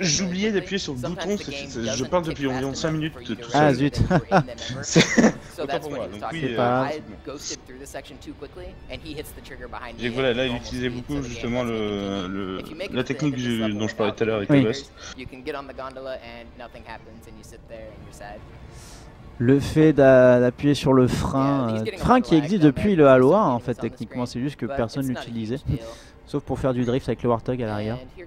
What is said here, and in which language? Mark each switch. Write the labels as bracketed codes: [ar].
[fr] J'oubliais d'appuyer sur le bouton, je parle depuis environ 5 minutes tout seul. Ah zut. Donc voilà, là il utilisait beaucoup justement la technique dont je parlais tout à l'heure avec le boss. [en] You can get on the gondola and nothing happens and you sit there and you're sad. [fr] Le fait d'appuyer sur le frein, frein qui existe depuis le Halo 1 en fait, techniquement, c'est juste que personne ne l'utilisait, sauf pour faire du drift avec le Warthog à l'arrière.